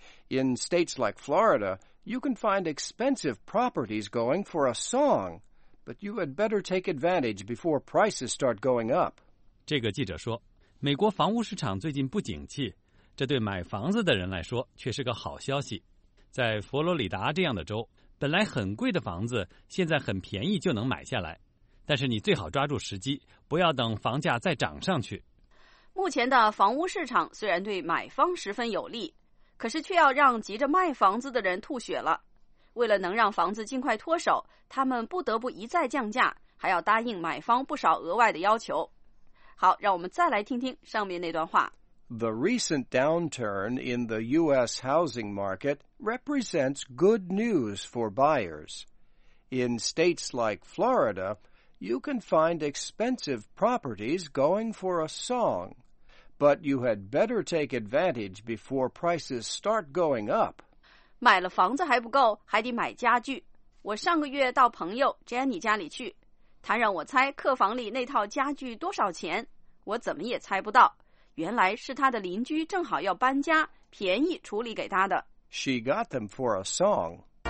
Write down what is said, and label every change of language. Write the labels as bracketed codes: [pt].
[en] In states like Florida, you can find expensive properties going for a song, but you had better take advantage before prices start going up. [zh] 这个记者说美国房屋市场最近不景气，这对买房子的人来说却是个好消息。在佛罗里达这样的州，本来很贵的房子现在很便宜就能买下来，但是你最好抓住时机，不要等房价再涨上去。目前的房屋市场虽然对买方十分有利，可是却要让急着卖房子的人吐血了。为了能让房子尽快脱手，他们不得不一再降价，还要答应买方不少额外的要求。好，让我们再来听听上面那段话。 [en] The recent downturn in the U.S. housing market represents good news for buyers. In states like Florida, you can find expensive properties going for a song. But you had better take advantage before prices start going up. [zh] 买了房子还不够，还得买家具。我上个月到朋友 Jenny 家里去，她让我猜客房里那套家具多少钱，我怎么也猜不到。原来是她的邻居正好要搬家，便宜处理给她的。 [en] She got them for a song.